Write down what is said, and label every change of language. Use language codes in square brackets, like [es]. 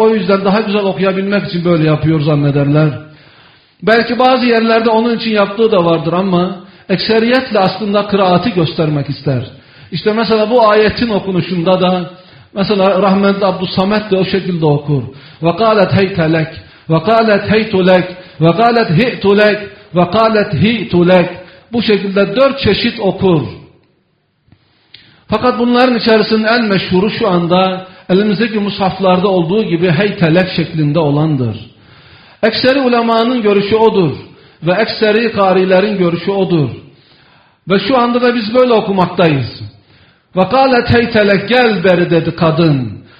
[tr] O yüzden daha güzel okuyabilmek için böyle yapıyor zannederler. Belki bazı yerlerde onun için yaptığı da vardır ama ekseriyetle aslında kıraati göstermek ister. İşte mesela bu ayetin okunuşunda da mesela rahmetli Abdussamed de o şekilde okur. [ar] وَقَالَتْ هَيْتَ لَكْ وَقَالَتْ هَيْتُ لَكْ وَقَالَتْ هِئْتُ لَكْ وَقَالَتْ هِئْتُ لَكْ [tr] Bu şekilde dört çeşit okur. Fakat bunların içerisinde en meşhuru şu anda elimizdeki mushaflarda olduğu gibi [ar] هَيْتَ لَكْ [tr] şeklinde olandır. Ekseri ulemanın görüşü odur. Ve ekseri karilerin görüşü odur. Ve şu anda da biz böyle okumaktayız. [ar] وَقَالَتْ هَيْتَ لَكْ [tr] gel beri dedi kadın.